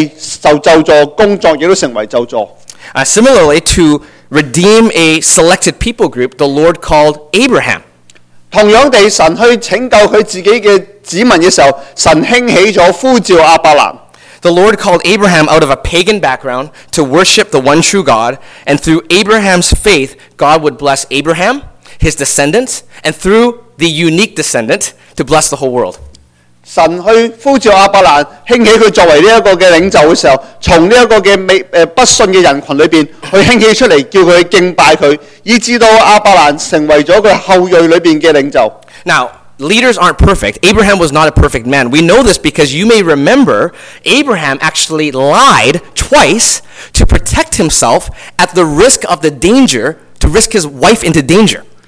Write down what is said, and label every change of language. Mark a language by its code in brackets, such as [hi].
[zh] 亦都正正是因为亚当听了他太太的说话，以致到亚当要承担这个罪的后果，以致到地受咒诅，工作也都成为咒诅。 [en] Similarly, to redeem a selected people group, the Lord called Abraham. [zh] 同样地，神去拯救他自己的子民的时候，神兴起了呼召亚伯兰。 [en] The Lord called Abraham out of a pagan background to worship the one true God, and through Abraham's faith, God would bless Abraham, his descendants, and through the unique descendant, to bless the whole world. [zh] 神去呼召亚伯兰，兴起他作为这个领袖的时候，从这个不信的人群里面去兴起出来，叫他敬拜他，以致到亚伯兰成为了他后裔里面的领袖。 [en] Now, leaders aren't perfect. Abraham was not a perfect man. We know this because you may remember Abraham actually lied twice to protect himself at the risk of the danger, to risk his wife into danger.